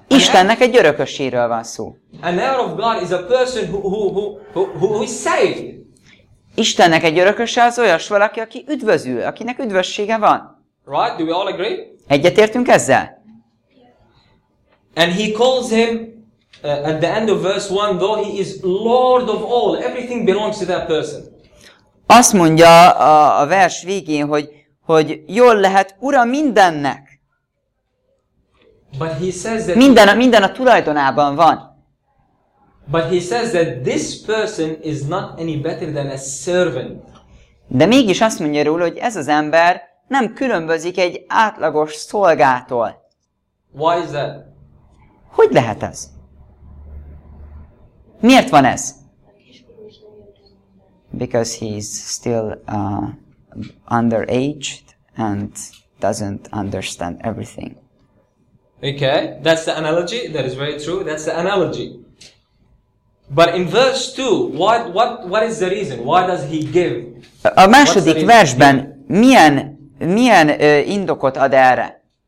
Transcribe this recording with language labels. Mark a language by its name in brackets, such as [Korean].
[Hungarian] Istennek egy örököséről van szó. [English] An heir of God is a person who is saved. [Hungarian] Istennek egy örököse az olyas valaki, aki üdvözül, akinek üdvössége van. [English] Right? Do we all agree? [Hungarian] Egyetértünk ezzel? [English] And he calls him at the end of verse 1, though he is Lord of all, everything belongs to that person. [Hungarian] Azt mondja a vers végén, hogy jól lehet ura mindennek. [English] But he says that [Hungarian] minden a tulajdonában van. [English] But he says that this person is not any better than a servant. [Hungarian] De mégis azt mondja róla, hogy ez az ember nem különbözik egy átlagos szolgától. [English] Why is that? [Hungarian] Hogy lehet ez? Miért van ez? [English] Because he's still underaged and doesn't understand everything. Okay, that's the analogy. That is very true. That's the analogy. But in verse 2, what is the reason? Why does he give? [Hungarian] A második versben milyen indokot ad erre?